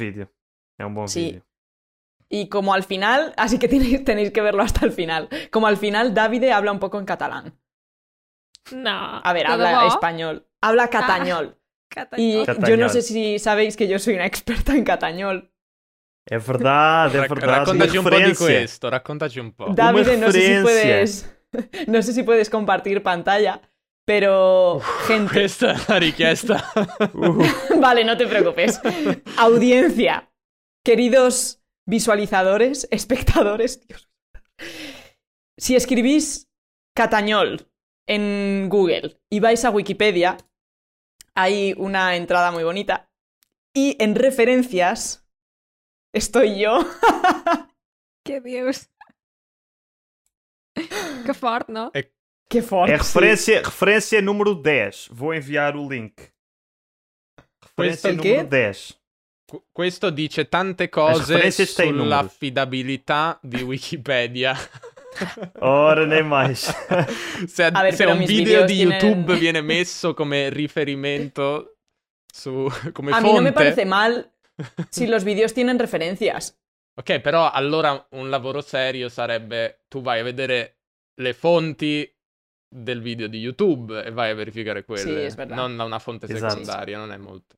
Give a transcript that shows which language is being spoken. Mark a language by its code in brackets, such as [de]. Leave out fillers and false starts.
[es] Es un buen vídeo. Y como al final, así que tenéis que verlo hasta el final. Como al final, Davide habla un poco en catalán. No. A ver, habla no. Español. Habla catañol. Catañol. Y catañol. Yo no sé si sabéis que yo soy una experta en catañol. Es verdad. [it] Raccontaci un po' di questo, raccontaci un po'. [es] Davide, no sé si puedes. No sé si puedes compartir pantalla, pero... gente. Esta es la riqueza. Vale, no te preocupes. Audiencia, queridos visualizadores, espectadores... Dios. Si escribís catañol en Google y vais a Wikipedia, hay una entrada muy bonita. Y en referencias estoy yo. ¡Qué Dios! [pt] Que forte, não? É, que forte. É referência número 10. Vou enviar o link. Referência número 10. [it] Questo dice tante cose sull'affidabilità di Wikipedia. [pt] Ora nem mais. [it] se un video di YouTube tienen... viene messo come riferimento su come a fonte. [es] A mí no me parece mal si los videos tienen referencias. [it] Ok, però allora un lavoro serio sarebbe tu vai a vedere le fonti del video di YouTube e vai a verificare quelle, sì, non una fonte secondaria, esatto. Non è molto.